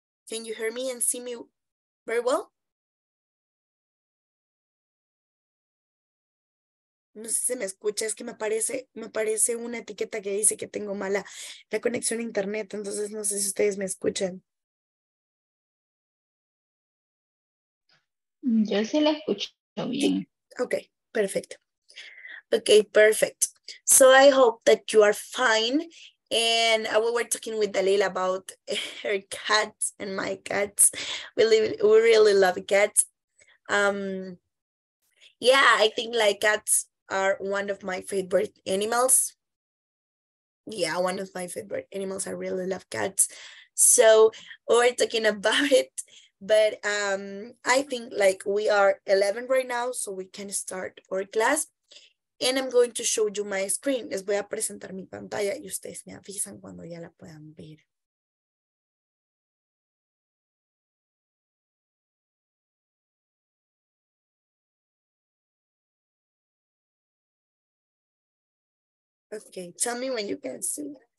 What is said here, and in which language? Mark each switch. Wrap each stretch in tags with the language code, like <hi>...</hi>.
<en>Can you hear me and see me very well?</en> <es>No sé si me escucha, es que me aparece una etiqueta que dice que tengo mala la conexión a internet, entonces no sé si ustedes me escuchan. Yo sí la escucho bien. Sí. Okay, perfecto.</es> <en>Okay, perfect. So I hope that you are fine. And we were talking with Dalila about her cats and my cats. We really love cats. Yeah, I think like cats are one of my favorite animals. Yeah, one of my favorite animals. I really love cats. So we're talking about it. But I think like we are 11 right now, so we can start our class. And I'm going to show you my screen.</en> <es>Les voy a presentar mi pantalla y ustedes me avisan cuando ya la puedan ver.</es> <en>Okay, tell me when you can see.</en>